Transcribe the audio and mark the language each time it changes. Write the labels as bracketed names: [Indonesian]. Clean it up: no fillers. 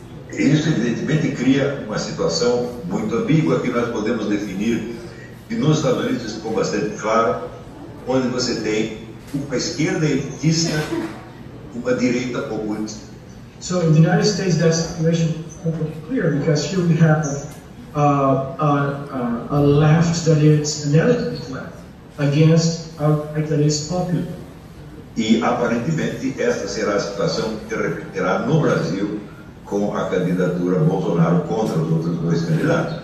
[Portuguese] Isso, evidentemente, cria uma situação muito ambígua que nós podemos definir, e nos Estados Unidos isso ficou bastante claro, onde você tem uma esquerda elitista, uma direita populista. [English] So, in the United States, that situation is completely clear, because here we have a left that is an elitist left against a right that is popular. [Portuguese] E, aparentemente, essa será a situação que repetirá no Brasil, com a candidatura Bolsonaro contra os outros dois candidatos.